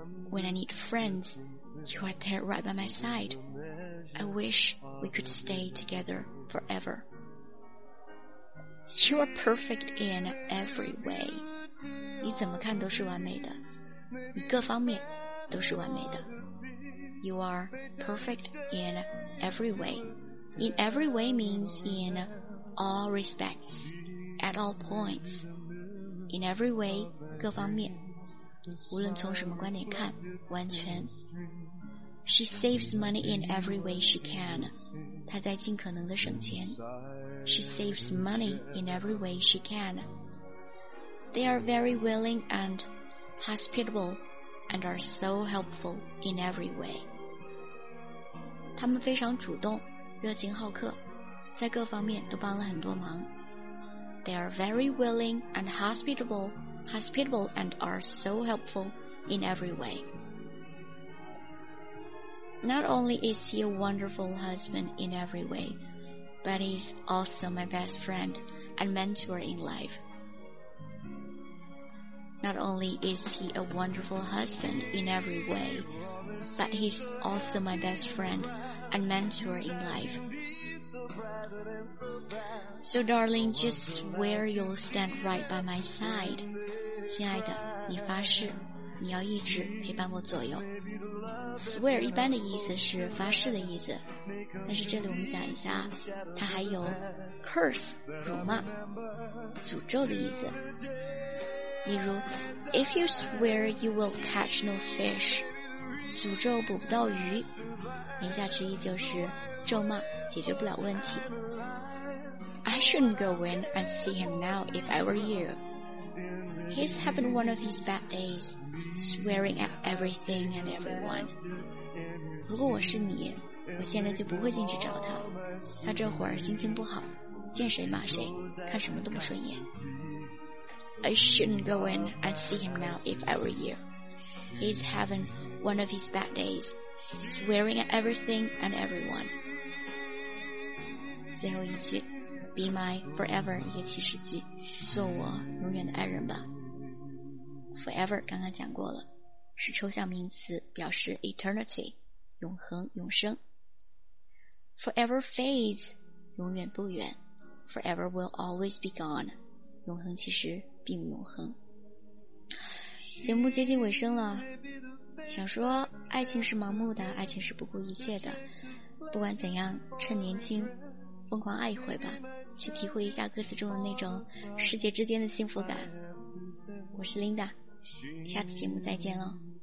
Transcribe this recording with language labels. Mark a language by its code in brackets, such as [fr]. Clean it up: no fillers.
[en] When I need friends, you're there right by my side. I wish we could stay together forever. You are perfect in every way. [zh] 你怎么看都是完美的，你各方面都是完美的。 [en] You are perfect in every way. In every way means in all respects, at all points. In every way, [zh] 各方面，无论从什么观点看，完全。 [en] She saves money in every way she can. [zh] 她在尽可能的省钱。 [en] She saves money in every way she can. They are very willing and hospitable and are so helpful in every way. [zh] 他们非常主动，热情好客，在各方面都帮了很多忙。 [en] They are very willing and hospitable and are so helpful in every way. Not only is he a wonderful husband in every way, but he's also my best friend and mentor in life. Not only is he a wonderful husband in every way, but he's also my best friend and mentor in life. So darling, just swear you'll stand right by my side. [zh] 亲爱的，你发誓。你要一直陪伴我左右。 Swear 一般的意思是发誓的意思，但是这里我们讲一下，它还有 curse 辱骂诅咒的意思。例如 [en] If you swear you will catch no fish, [zh] 诅咒捕不到鱼，言下之意就是咒骂解决不了问题。 [en] I shouldn't go in and see him now if I were you. He's having one of his bad days, swearing at everything and everyone. [zh] 如果我是你，我现在就不会进去找他，他这会儿心情不好，见谁骂谁，看什么都不顺眼。 [en] I shouldn't go in and see him now if I were you. He's having one of his bad days, swearing at everything and everyone. [zh] 最后一句 [en] Be my forever [zh] 一个祈使句，做我永远的爱人吧。 Forever 刚刚讲过了，是抽象名词，表示 eternity 永恒永生。 [en] Forever fades, [zh] 永远不远。 [en] Forever will always be gone, [zh] 永恒其实并不永恒。节目接近尾声了，想说爱情是盲目的，爱情是不顾一切的。不管怎样，趁年轻，疯狂爱一回吧，去体会一下歌词中的那种世界之巅的幸福感。我是 Linda, 下次节目再见了。